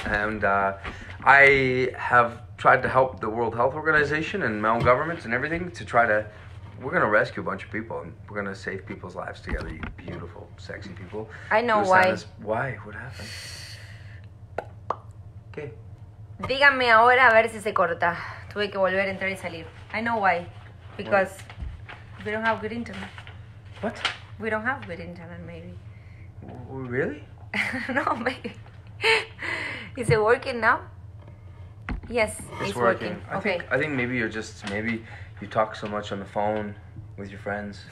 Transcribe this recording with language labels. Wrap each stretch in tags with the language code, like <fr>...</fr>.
<en>And I have tried to help the World Health Organization and my own governments and everything to try to... We're going to rescue a bunch of people and we're going to save people's lives together, you beautiful, sexy people. I know Lusana's, why. Why? What happened? Okay.</en> <es>Díganme ahora a ver si se corta. Tuve que volver a entrar y salir.</es> <en>I know why. Because what? We don't have good internet. What? We don't have good internet, maybe. Really? No, maybe. Is it working now? Yes, it's working. I think, okay. I think maybe you're just, maybe you talk so much on the phone with your friends.</en>